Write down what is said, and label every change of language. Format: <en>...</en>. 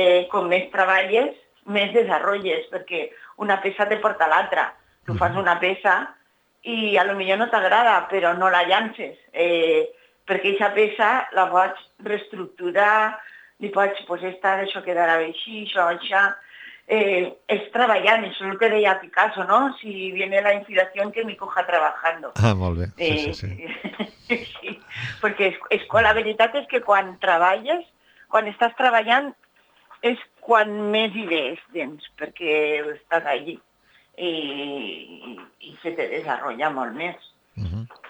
<ca>Com més treballes, més desenvolupes, perquè una peça te porta a l'altra. Tu fas una peça i a lo millor no t'agrada, però no la llances. Perquè aquesta peça la pots reestructurar, li pots, pues, estar, això quedarà bé així, això, això... és treballant, això és el que deia Picasso, no?</ca> <es>Si viene la inspiración, que me coja trabajando.</es> <ca>Ah, molt bé, sí. Sí, perquè la veritat és que quan treballes, quan estàs treballant, és quan més idees tens, perquè estàs allí i se te desenvolupa molt més. Uh-huh.</ca>